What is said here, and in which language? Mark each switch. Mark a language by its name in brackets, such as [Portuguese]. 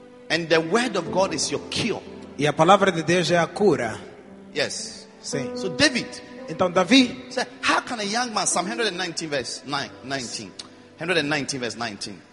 [English] And the word of God is your cure. [Portuguese] E a palavra de Deus é a cura. [English] Yes. [Portuguese] Sim. [English] So David, [Portuguese] então Davi, [English] said, how can a young man, Psalm 119 verse 19, 119 verse 19,